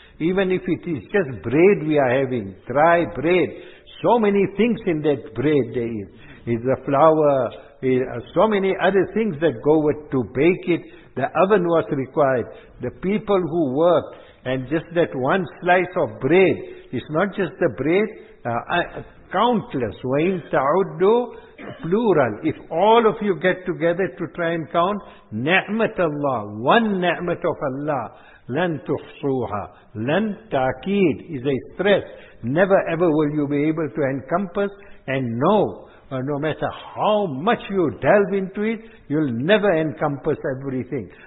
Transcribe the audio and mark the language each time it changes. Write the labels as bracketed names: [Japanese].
[English] Even if it is just bread we are having, dry bread, so many things in that bread there is. It's the flour, so many other things that go with to bake it. The oven was required. The people who worked, and just that one slice of bread, it's not just the bread, countless. [Arabic] وَإِن تَعُدُّ plural. [English] If all of you get together to try and count, نِعْمَةَ اللَّهِ, one ni'mat of Allah, [Arabic] لن تحصوها. [English] لن تأكيد is a stress. Never ever will you be able to encompass and know. No matter how much you delve into it, you'll never encompass everything.